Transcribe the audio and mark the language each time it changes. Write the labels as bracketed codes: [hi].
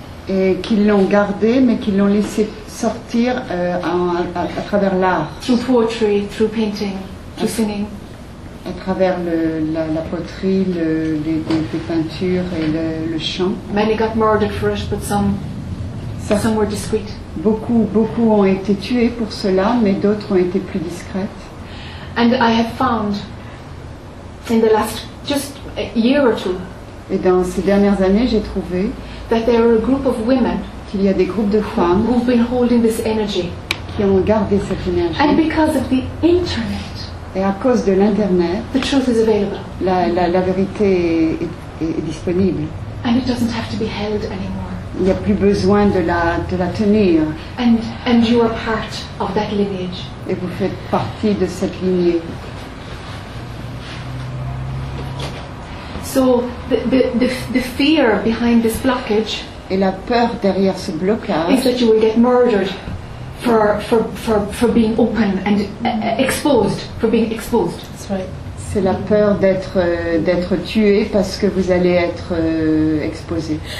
[fr] Et qui l'ont gardé, mais qui l'ont laissé sortir à travers l'art. [en] Through poetry, through painting, through singing. [fr] À travers la poterie, les peintures et le chant. [en] Many got murdered for it, but some were discreet. [fr] Beaucoup ont été tués pour cela, mais d'autres ont été plus discrètes. [en] And I have found in the last just a year or two. [fr] Et dans ces dernières années, j'ai trouvé [en] that there are a group of women [fr] qu'il y a des groupes de femmes [en] who've been holding this energy. [fr] Qui ont gardé cette énergie. [en] And because of the internet. [fr] Et à cause de l'internet, [en] the truth is available. [fr] La vérité est disponible. [en] And it doesn't have to be held anymore. [fr] Il n'y a plus besoin de la tenir. [en] And you are part of that lineage. [fr] Et vous faites partie de cette lignée. [en] So the fear behind this blockage. [fr] Et la peur derrière ce blocage. [en] Is that you will get murdered. For being open and exposed, for being exposed. That's right. [fr] C'est la peur d'être tué parce que vous allez être exposé.